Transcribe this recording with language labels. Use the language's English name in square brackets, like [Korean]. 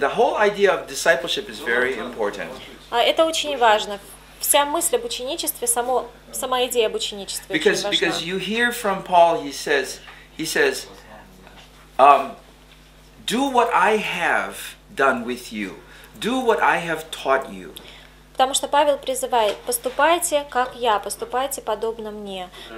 [English] The whole idea of discipleship is very important. [Russian] Это очень важно. Вся мысль об ученичестве, сама идея об ученичестве очень важна. [English] Because you hear from Paul, he says, do what I have done with you. Do what I have taught you. [Russian] Потому что Павел призывает, поступайте, как я, поступайте подобно мне.